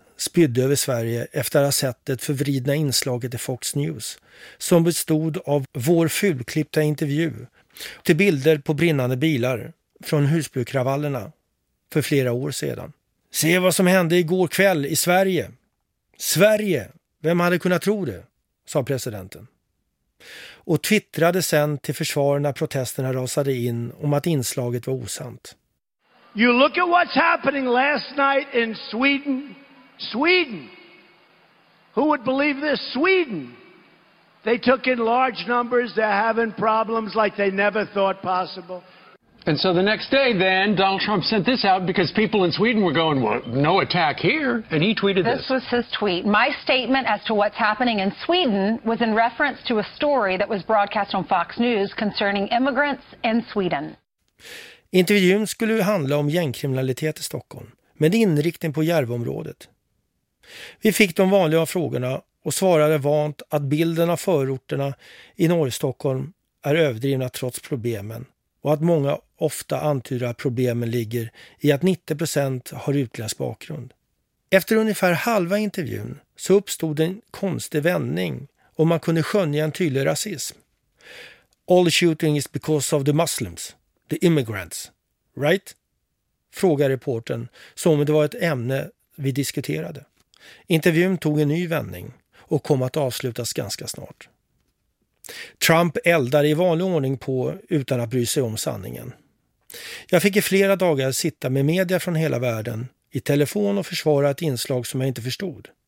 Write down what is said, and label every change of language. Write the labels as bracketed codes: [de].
[sv] spydde över Sverige efter att ha sett det förvridna inslaget i Fox News som bestod av vår fulklippta intervju till bilder på brinnande bilar från Husbykravallerna för flera år sedan. Se vad som hände igår kväll i Sverige. Sverige, vem hade kunnat tro det, sa presidenten. Och twittrade sen till försvar när protesterna rasade in om att inslaget var osant. [en] You look at what's happening last night in Sweden. Sweden. Who would believe this? Sweden. They took in large numbers. They're having problems like they never thought possible. And so the next day then, Donald Trump sent this out because people in Sweden were going, well, no attack here. And he tweeted this. This was his tweet. My statement as to what's happening in Sweden was in reference to a story that was broadcast on Fox News concerning immigrants in Sweden. [sv] Intervjun skulle handla om gängkriminalitet i Stockholm, med inriktning på Järvområdet. Vi fick de vanliga frågorna och svarade vant att bilden av förorterna i Norrstockholm är överdrivna trots problemen och att många ofta antyder att problemen ligger i att 90% har utländsk bakgrund. Efter ungefär halva intervjun så uppstod en konstig vändning och man kunde skönja en tydlig rasism. [en] All shooting is because of the Muslims. The immigrants, right? [sv] Frågar reporten som det var ett ämne vi diskuterade. Intervjun tog en ny vändning och kom att avslutas ganska snart. Trump eldade i vanlig ordning på utan att bry sig om sanningen. Jag fick i flera dagar sitta med media från hela världen i telefon och försvara ett inslag som jag inte förstod.